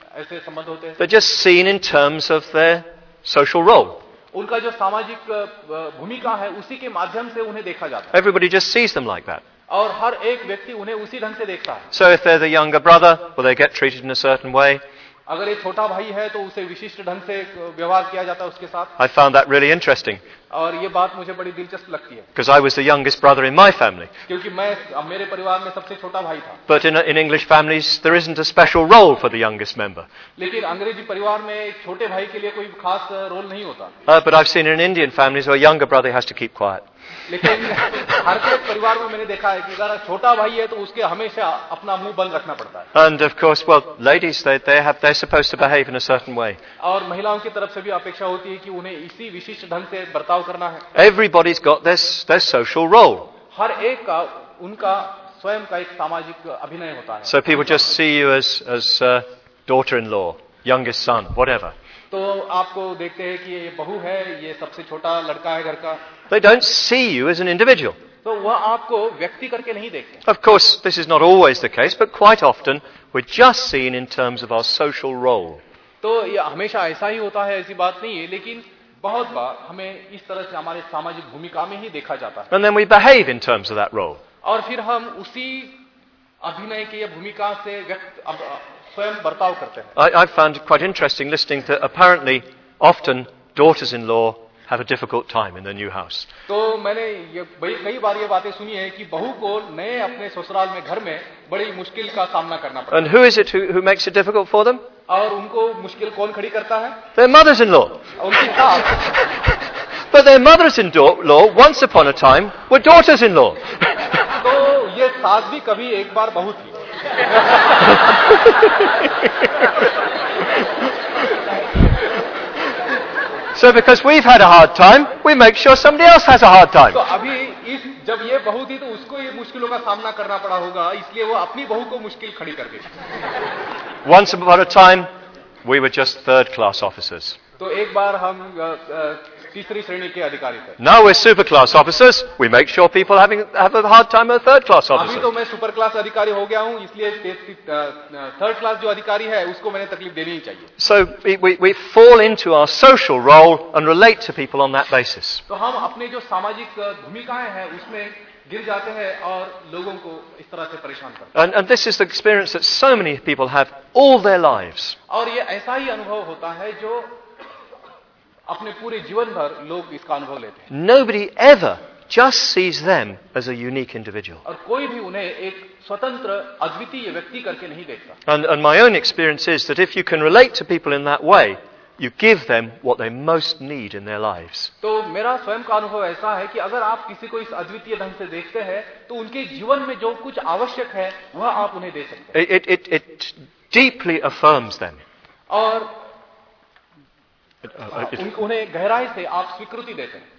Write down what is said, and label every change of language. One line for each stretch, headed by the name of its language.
English: They're just seen in terms of their social role.
Hindi: उनका जो सामाजिक भूमिका है उसी के माध्यम से उन्हें देखा जाता है.
English: Everybody just sees them like that.
Hindi: और हर एक व्यक्ति उन्हें उसी ढंग से देखता है.
English: So if they're the younger brother, well, they get treated in a certain way.
Hindi: अगर ये छोटा भाई है तो उसे विशिष्ट ढंग से व्यवहार किया जाता है उसके साथ.
English: I found that really interesting.
Hindi: और ये बात मुझे बड़ी दिलचस्प लगती है.
English: Because I was the youngest brother in my family.
Hindi: क्योंकि मैं मेरे परिवार में सबसे छोटा भाई था.
English: But in English families, there isn't a special role for the youngest member.
Hindi: लेकिन अंग्रेजी परिवार में एक छोटे भाई के लिए कोई खास रोल नहीं होता.
English: But I've seen in Indian families where a younger brother has to keep quiet.
Hindi: लेकिन हर एक परिवार में मैंने देखा है कि अगर छोटा भाई है तो उसके हमेशा अपना मुंह बंद रखना पड़ता है.
English: And of course, well, ladies, they're supposed to behave in a certain way.
Hindi: और महिलाओं की तरफ से भी अपेक्षा होती है कि उन्हें इसी विशिष्ट ढंग से बर्ताव
English: Everybody's got their social role.
Hindi: हर एक का उनका स्वयं का एक सामाजिक अभिनय होता है.
English: So people just see you as daughter-in-law, youngest son, whatever.
Hindi: तो आपको देखते हैं कि ये बहू है, ये सबसे छोटा लड़का है घर का.
English: They don't see you as an individual.
Hindi: तो वह आपको व्यक्ति करके नहीं देखते.
English: Of course, this is not always the case, but quite often we're just seen in terms of our social role.
Hindi: तो ये हमेशा ऐसा ही होता है, ऐसी बात नहीं है, लेकिन बहुत बार हमें इस तरह से हमारे सामाजिक भूमिका में ही देखा जाता है
English: And then we behave in terms of that role.
Hindi: और फिर हम उसी अभिनय की या भूमिका से व्यक्त स्वयं बर्ताव करते हैं
English: I found it quite interesting listening that apparently often daughters-in-law have a difficult time in the new house.
Hindi: तो मैंने कई बार ये बातें सुनी है कि बहू को नए अपने ससुराल में घर में बड़ी मुश्किल का सामना करना पड़ता
English: And who is it who makes it difficult for them?
Hindi: और उनको मुश्किल कौन खड़ी करता है?
English: Their mothers-in-law.
Hindi: उनकी माँ.
English: But their mothers-in-law once upon a time were daughters-in-law.
Hindi: तो ये सास भी कभी एक बार बहू थी.
English: So because we've had a hard time, we make sure somebody else has a hard time.
Hindi: तो अभी इस जब ये बहू थी तो उसको ये मुश्किलों का सामना करना पड़ा होगा, इसलिए वो अपनी बहू को मुश्किल खड़ी कर दी।
English: Once upon a time, we were just third class officers.
Hindi: तो एक बार हम तीसरी श्रेणी के अधिकारी थे.
English: Now we're super class officers. We make sure people have a hard time as third class officers.
Hindi: अभी तो मैं सुपर क्लास अधिकारी हो गया हूँ, इसलिए थर्ड क्लास जो अधिकारी है उसको मैंने तकलीफ देनी ही चाहिए.
English: So we fall into our social role and relate to people on that basis.
Hindi: तो हम अपने जो सामाजिक भूमिकाएं हैं उसमें गिर जाते हैं और लोगों को इस तरह से परेशान करते हैं.
English: And this is the experience that so many people have all their lives.
Hindi: और ये ऐसा ही अनुभव होता है जो अपने पूरे जीवन भर लोग इसका अनुभव लेते हैं.
English: Nobody ever just sees them as a unique individual.
Hindi: और कोई भी उन्हें एक स्वतंत्र अद्वितीय व्यक्ति करके नहीं देखता.
English: And my own experience is that if you can relate to people in that way, you give them what they most need in their lives.
Hindi: तो मेरा स्वयं का अनुभव ऐसा है कि अगर आप किसी को इस अद्वितीय ढंग से देखते हैं तो उनके जीवन में जो कुछ आवश्यक है वह आप उन्हें दे सकते हैं.
English: It deeply affirms them.
Hindi: और उन्हें गहराई से आप स्वीकृति देते हैं.